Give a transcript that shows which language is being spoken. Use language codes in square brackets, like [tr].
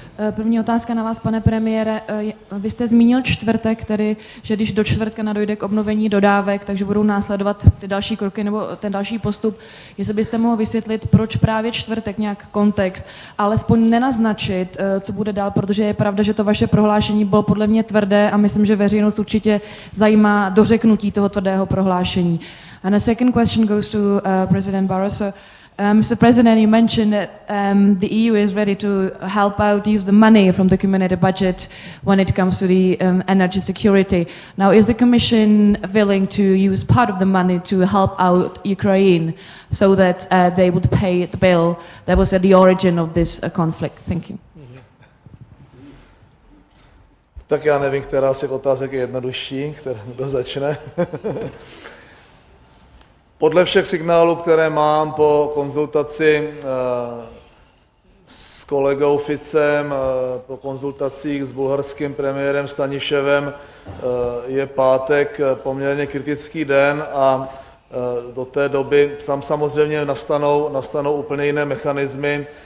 [cs] První otázka na vás, pane premiére. Vy jste zmínil čtvrtek, tedy, že když do čtvrtka nadojde k obnovení dodávek, takže budou následovat ty další kroky nebo ten další postup. Jestli byste mohl vysvětlit, proč právě čtvrtek, nějak kontext, alespoň nenaznačit, co bude dál, protože je pravda, že to vaše prohlášení bylo podle mě tvrdé a myslím, že veřejnost určitě zajímá dořeknutí toho tvrdého prohlášení. [en] And a second question goes to President Barroso. Mr. President, you mentioned that the EU is ready to help out, use the money from the community budget when it comes to the energy security. Now, is the Commission willing to use part of the money to help out Ukraine so that they would pay the bill that was at the origin of this conflict? Thank you. [cs] Tak já nevím, která z těch otázek je jednodušší, kdo začne. Podle všech signálů, které mám po konzultaci s kolegou Ficem, po konzultacích s bulharským premiérem Staniševem, je pátek poměrně kritický den a do té doby samozřejmě nastanou úplně jiné mechanismy.